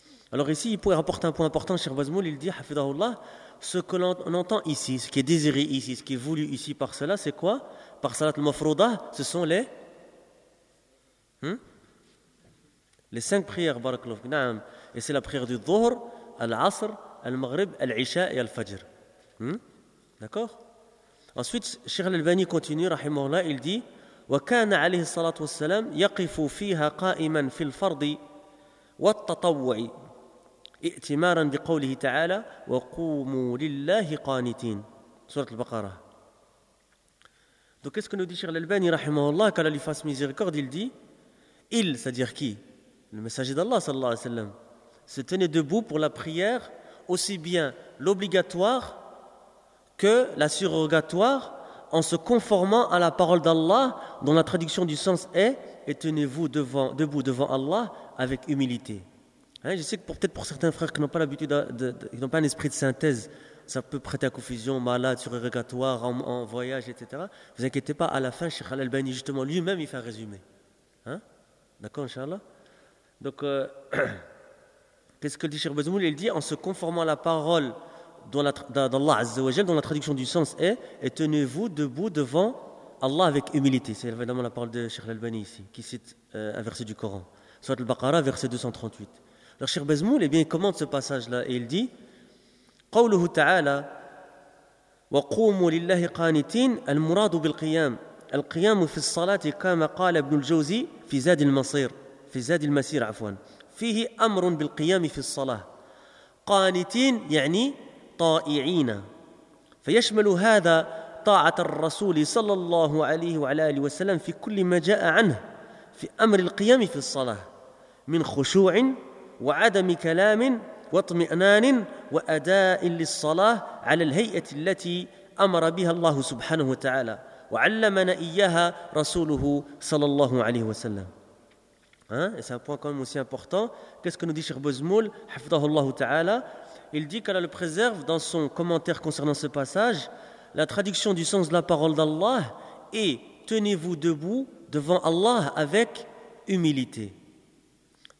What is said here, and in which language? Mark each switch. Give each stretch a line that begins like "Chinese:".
French: Alors, ici, il pourrait rapporter un point important, Cheikh Bazmoul, il dit, Hafidahullah, ce que l'on entend ici, ce qui est désiré ici, ce qui est voulu ici par cela, c'est quoi? Par salat al-mafrouda, ce sont les. Hein? Les cinq prières, barakallahu fik, na'am. Et c'est la prière du dhuhr, al-asr, Al-Maghrib, Al-Isha et Al-Fajr. D'accord ? Ensuite, Cheikh Al-Albani continue, rahimahullah, il dit
Arabic: وَكَانَ عَلَيْهِ الصَّلَاةُ وَالسَّلَامُ يَقِفُ فِيهَا قَائِمًا فِي الْفَرْضِ وَالتَّطَوُّعِ اِئْتِمَارًا بِقَوْلِهِ تَعَالَى وَقُومُوا لِلَّهِ قَانِتِينَ.
French: Sourate Al-Baqara. Donc, qu'est-ce que nous dit Cheikh Al-Albani, rahimahullah, qu'Allah lui fasse miséricorde, il dit il, c'est-à-dire qui ? Le messager d'Allah, sallallahu alayhi wa sallam, se tenait debout pour la prière. Aussi bien l'obligatoire que la surrogatoire en se conformant à la parole d'Allah dont la traduction du sens est « Et tenez-vous debout devant Allah avec humilité. Hein, » je sais que peut-être pour certains frères qui n'ont pas l'habitude, qui n'ont pas un esprit de synthèse, ça peut prêter à confusion, malade, surrogatoire, en voyage, etc. Vous inquiétez pas, à la fin, Cheikh Al-Albani, justement, lui-même, il fait un résumé. Hein? D'accord, Inch'Allah. Donc... Qu'est-ce que dit Cheikh Bazmoul ? Il dit en se conformant à la parole d'Allah Azza wa Jal, dont la traduction du sens est « Et tenez-vous debout devant Allah avec humilité. » C'est évidemment la parole de Cheikh Al-Albani ici, qui cite un verset du Coran. Sourate Al-Baqara, verset 238. Alors Cheikh Bazmoul, eh bien, il commente ce passage-là et il dit
Arabic: « قَوْلُهُ تَعَالَى وَقُومُوا لِلَّهِ قَانِتِينَ الْمُرَادُ بِالْقِيَامِ الْقِيَامُ فِي الصَّلَاةِ كَمَا قَالَ ابْنُ الْجَوْزِي فِي زَادِ الْمَصِيرِ فِي زَادِ الْمَسِيرِ عَفْوًا فيه أمر بالقيام في الصلاة قانتين يعني طائعين فيشمل هذا طاعة الرسول صلى الله عليه وعلى آله وسلم في كل ما جاء عنه في أمر القيام في الصلاة من خشوع وعدم كلام واطمئنان وأداء للصلاة على الهيئة التي أمر بها الله سبحانه وتعالى وعلمنا إياها رسوله صلى الله عليه وسلم.
French: Hein, et c'est un point quand même aussi important. Qu'est-ce que nous dit Cheikh Bazmoul, hafidahullah ta'ala? Il dit qu'Allah le préserve dans son commentaire concernant ce passage, la traduction du sens de la parole d'Allah est « Tenez-vous debout devant Allah avec humilité ».